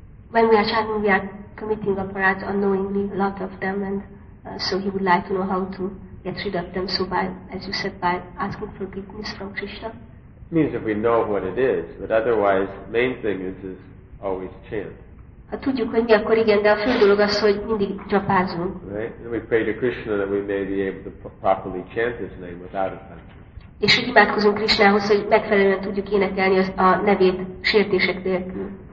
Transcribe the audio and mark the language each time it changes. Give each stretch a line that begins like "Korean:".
English: When we are chanting, we are committing aparats unknowingly, a lot of them, and so he would like to know how to get rid of them, so by, as you said, by asking forgiveness from Krishna. It means if we know what it is, but otherwise, the main thing is always chant.
Hungarian: Ha tudjuk, hogy mi, akkor igen, de a fő dolog az, hogy mindig japázunk.
English: Right? And we pray to Krishna that we may be able to properly chant his name without offense.
Hungarian: És hogy imádkozunk Krishnához, hogy megfelelően tudjuk énekelni a nevét sértések nélkül.